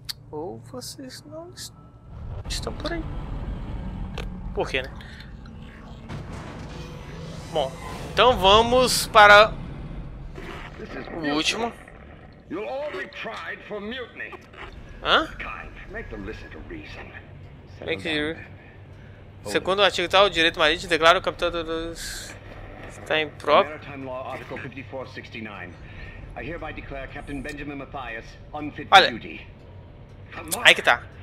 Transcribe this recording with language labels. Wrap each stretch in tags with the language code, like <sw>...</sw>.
<pt>Ou vocês não estão por aí. Por quê, né? Bom, então vamos para o último.</pt> <en>You'll all be tried for mutiny. Hã? Make them listen to reason. Thank you.</en> <pt>Segundo o artigo tal, o direito marítimo declara o capitão dos... Está em prova.</pt> <en>Maritime Law, Article 5469. I hereby declare Captain Benjamin Mathias unfit for duty.</en> <pt>Aí que tá.</pt>